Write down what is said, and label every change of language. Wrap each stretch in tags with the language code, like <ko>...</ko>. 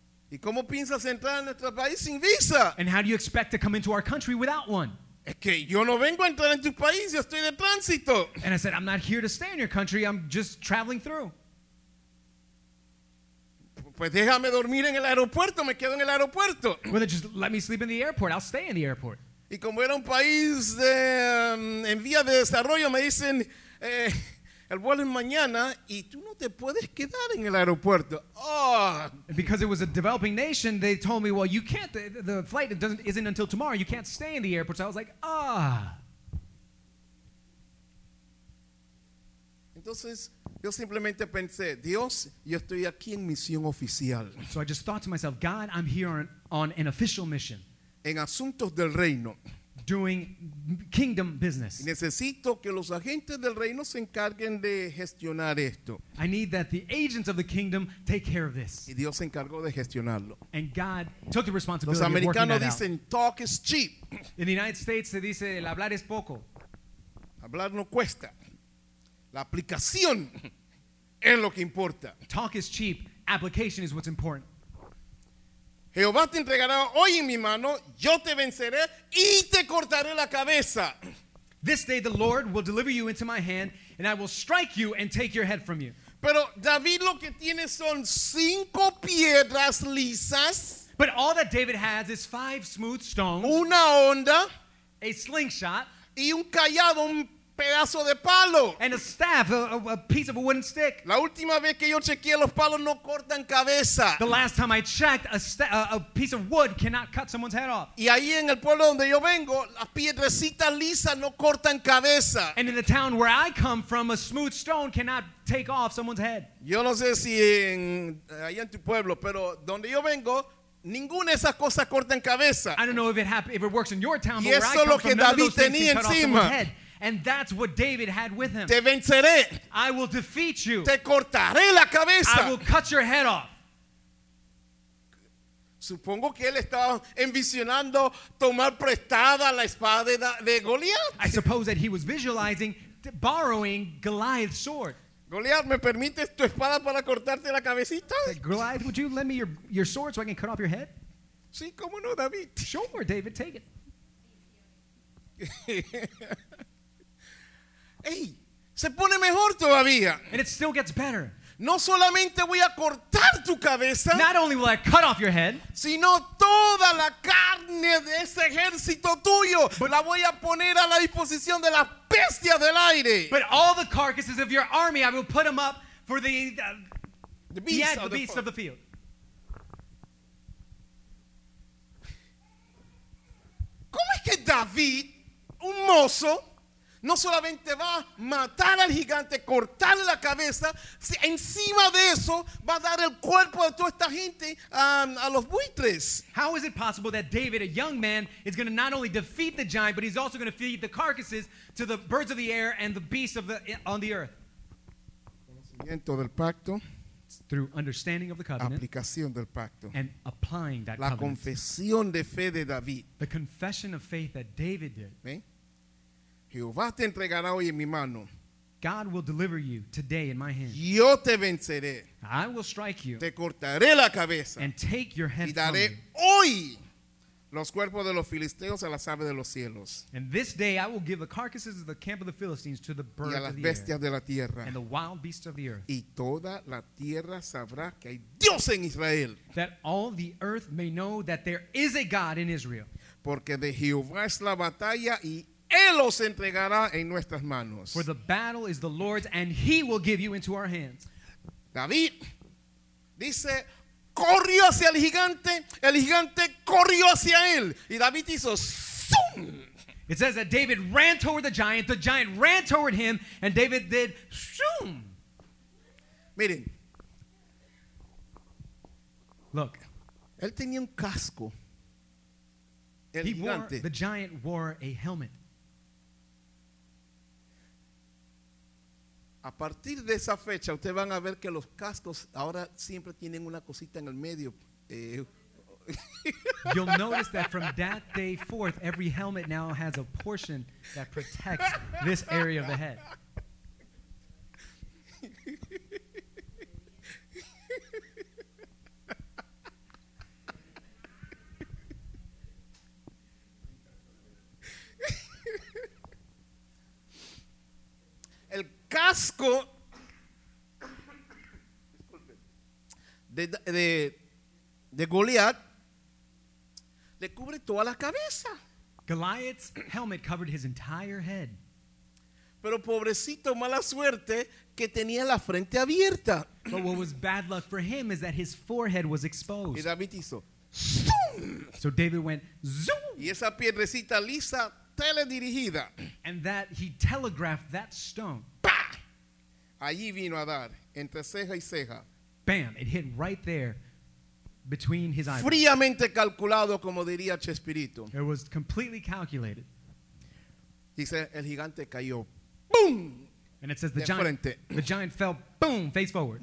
<es>¿Y cómo piensas entrar en nuestro país sin visa?</es> <en>And how do you expect to come into our country without one?</en> <es>Es que yo no vengo a entrar en tu país, yo estoy de tránsito.</es> <en>And I said, I'm not here to stay in your country, I'm just traveling through.</en> <es>Pues déjame dormir en el aeropuerto, me quedo en el aeropuerto.</es> <en>Well, then just let me sleep in the airport, I'll stay in the airport.</en> <es>Y como era un país en vía de desarrollo, me dicen, el vuelo es mañana y tú no te puedes quedar en el aeropuerto.</es> <en>Because it was a developing nation, they told me, well, you can't, the flight isn't until tomorrow, you can't stay in the airport. So I was like,</en> <es>Entonces, yo simplemente pensé, Dios, yo estoy aquí en misión oficial.</es> <en>So I just thought to myself, God, I'm here on an official mission.</en> <es>En asuntos del reino.</es> <en>Doing kingdom business.</en> <es>Necesito que los agentes del reino se encarguen de gestionar esto.</es> <en>I need that the agents of the kingdom take care of this.</en> <es>Y Dios se encargó de gestionarlo.</es> <en>And God took the responsibility of working that out.</en> <es>Los americanos dicen,</es> <en>talk is cheap. In the United States,</en> <es>se dice, el hablar es poco. Hablar no cuesta. La aplicación es lo que importa.</es> <en>Talk is cheap. Application is what's important.</en> <es>Jehová te entregará hoy en mi mano, yo te venceré y te cortaré la cabeza.</es> <en>This day the Lord will deliver you into my hand and I will strike you and take your head from you.</en> <es>Pero David lo que tiene son cinco piedras lisas.</es> <en>But all that David has is five smooth stones.</en> <es>Una onda.</es> <en>A slingshot.</en> <es>Y un callado, un pedazo de palo.</es> <en>And a staff, a piece of a wooden stick.</en> <es>La última vez que yo chequeé, los palos no cortan cabeza.</es> <en>The last time I checked, a piece of wood cannot cut someone's head off.</en> <es>Y ahí en el pueblo donde yo vengo, las piedrecitas lisas no cortan cabeza.</es> <en>And in the town where I come from, a smooth stone cannot take off someone's head.</en> <es>Yo no sé si en ahí en tu pueblo, pero donde yo vengo, ninguna de esas cosas cortan cabeza.</es> <en>I don't know if it works in your town,</en> <es>y</es> <en>but where I come from, David, none of those things can cut</en> <es>encima.</es> <en>Off someone's head. And that's what David had with him.</en> <es>Te venceré.</es> <en>I will defeat you.</en> <es>Te cortaré la cabeza.</es> <en>I will cut your head off.</en> <es>Supongo que él estaba envisionando tomar prestada la espada de Goliat.</es> <en>I suppose that he was visualizing borrowing Goliath's sword.</en> <es>Goliat, ¿me permites tu espada para cortarte la cabecita?</es> <en>Goliath, would you lend me your sword so I can cut off your head?</en> <es>Sí, cómo no, David.</es> <en>Sure, David, take it.</en> <es>Hey, se pone mejor todavía.</es> <en>And it still gets better.</en> <es>No solamente voy a cortar tu cabeza,</es> <en>not only will I cut off your head,</en> <es>sino toda la carne de ese ejército tuyo, but la voy a poner a la disposición de las bestias del aire.</es> <en>But all the carcasses of your army, I will put them up for the beasts of the field.</en> <es>¿Cómo es que David, un mozo, no solamente va a matar al gigante, cortarle la cabeza, encima de eso va a dar el cuerpo de toda esta gente a los buitres?</es> <en>How is it possible that David, a young man, is going to not only defeat the giant, but he's also going to feed the carcasses to the birds of the air and the beasts of the on the earth?</en> <es>Conocimiento del pacto.</es> <en>Through understanding of the covenant,</en> <es>aplicación del pacto,</es> <en>and applying that</en> <es>la</es> <en>covenant,</en> <es>confesión de fe de David,</es> <en>the confession of faith that David did.</en> <es>Jehová te entregará hoy en mi mano.</es> <en>God will deliver you today in my hand.</en> <es>Yo te venceré.</es> <en>I will strike you.</en> <es>Te cortaré la cabeza.</es> <en>And take your head.</en> <es>Y daré</es> <en>from</en> <es>hoy</es> <en>you.</en> <es>Los cuerpos de los filisteos a las aves de los cielos.</es> <en>And this day I will give the carcasses of the camp of the Philistines to the birds</en> <es>y a las</es> <en>of the</en> <es>bestias</es> <en>air</en> <es>de la tierra.</es> <en>And the wild beasts of the earth.</en> <es>Y toda la tierra sabrá que hay Dios en Israel.</es> <en>That all the earth may know that there is a God in Israel.</en> <es>Porque de Jehová es la batalla y Él los entregará en nuestras manos.</es> <en>For the battle is the Lord's, and He will give you into our hands.</en> <es>David dice, corrió hacia el gigante corrió hacia él, y David hizo zoom.</es> <en>It says that David ran toward the giant ran toward him, and David did zoom.</en> <es>Miren,</es> <en>look,</en> <es>él tenía un casco.</es> <en>The giant wore a helmet.</en> <es>A partir de esa fecha, ustedes van a ver que los cascos ahora siempre tienen una cosita en el medio.</es> <en>You'll notice that from that day forth, every helmet now has a portion that protects this area of the head.</en> <es>Casco de Goliat le cubre toda la cabeza.</es> <en>Goliath's helmet covered his entire head.</en> <es>Pero pobrecito, mala suerte que tenía la frente abierta.</es> <en>But what was bad luck for him is that his forehead was exposed.</en> <es>Y David hizo zoom.</es> <en>So David went zoom.</en> <es>Y esa piedrecita lisa teledirigida.</es> <en>And that he telegraphed that stone.</en> <es>Allí vino a dar, entre ceja y ceja.</es> <en>Bam, it hit right there between his eyes.</en> <es>Fríamente calculado, como diría Chespirito.</es> <en>It was completely calculated.</en> <es>Dice, el gigante cayó. Boom!</es> <en>And it says the giant fell, boom, face forward.</en>